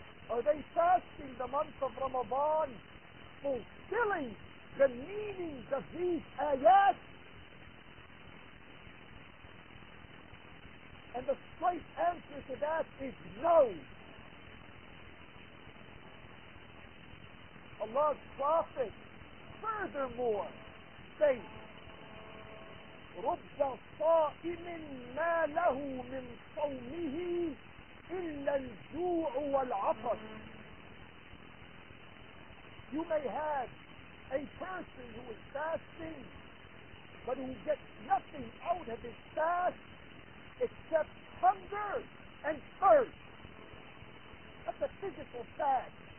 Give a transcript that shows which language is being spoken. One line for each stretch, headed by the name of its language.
English: Are they fasting the month of Ramadan, fulfilling the meanings of these ayat? And the straight answer to that is no. Allah's Prophet furthermore states,
Arabic: رُبَّ صَائِمٍ مَا لَهُ مِنْ صَوْمِهِ إِلَّا الْجُوعُ وَالْعَطَشُ.
English: You may have a person who is fasting, but who gets nothing out of his fast except hunger and thirst. That's a physical fact.